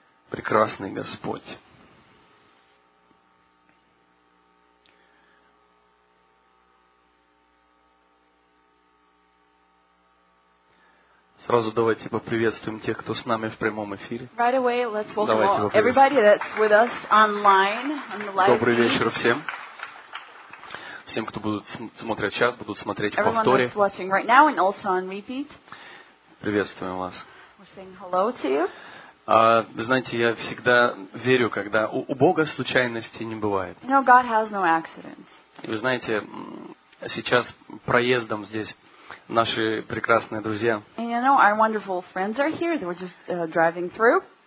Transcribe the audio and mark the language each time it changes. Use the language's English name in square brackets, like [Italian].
[Russian] Прекрасный Господь. Сразу давайте поприветствуем тех, кто с нами в прямом эфире. [English] Right away, let's welcome all, everybody that's with us online on the live. [Russian] Добрый вечер всем. Всем, кто будут смотреть сейчас, будут смотреть [English] Everyone [Russian] в повторе. [English] That's watching right now and also on repeat. [Russian] Приветствуем вас. [English] We're saying hello to you. [Russian] Вы знаете, я всегда верю, когда у Бога случайностей не бывает. [English] You know, God has no accidents. [Russian] Вы знаете, сейчас проездом здесь наши прекрасные друзья. [English] And you know, our wonderful friends are here. They were just driving through.